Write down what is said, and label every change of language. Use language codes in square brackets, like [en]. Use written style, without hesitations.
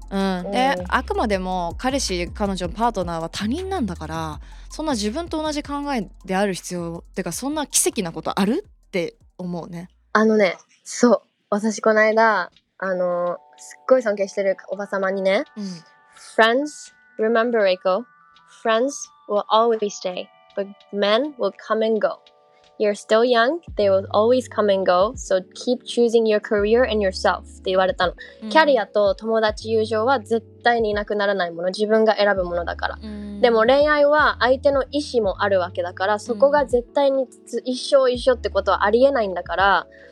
[ja] うん、で、うん、あくまでも彼氏彼女パートナーは他人なんだから、そんな自分と同じ考えである必要ってか、そんな奇跡なことあるって思うね。あのね、そう、私この間すっごい尊敬してるおばさまにね、うん、 [en] Friends remember Reiko, friends will always stay, but men will come and go. You're still young, they will always come and go, so keep choosing your career and yourself [ja] って言われたの、うん、キャリアと友達友情は絶対にいなくならないもの、自分が選ぶものだから、うん、でも恋愛は相手の意思もあるわけだから、そこが絶対に一生一緒ってことはありえないんだから、